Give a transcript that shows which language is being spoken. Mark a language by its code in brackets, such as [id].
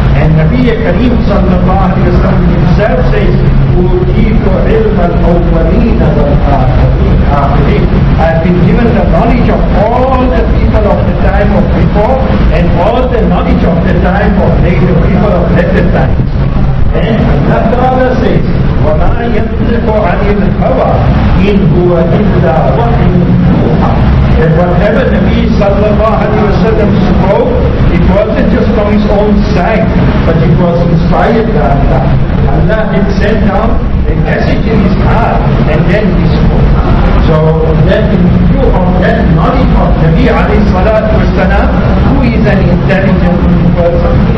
[en] And Nabi Kareem sallallahu alayhi wa sallam himself says, [ar] أُوتِيكُ عِلْمَ الْأَوَّلِينَ وَالْآخِرِينَ. [en] I have been given the knowledge of all the people of the time of before and all the knowledge of the time of later, people of later times. And Allah Ta'ala says, [ar] وَمَا يَنْزِقُ عَنِ الْهَوَىٰ إِنْ هُوَ إِلَّا وَحْيٌ يُوحَىٰ. [en] That whatever Nabi sallallahu alayhi wa sallam spoke, it wasn't just from his own sight, but it was inspired by Allah. Allah had sent down a message in his heart, and then he spoke. So that in view of that knowledge of Nabi alayhi salatu wa sallam, who is an intelligent person?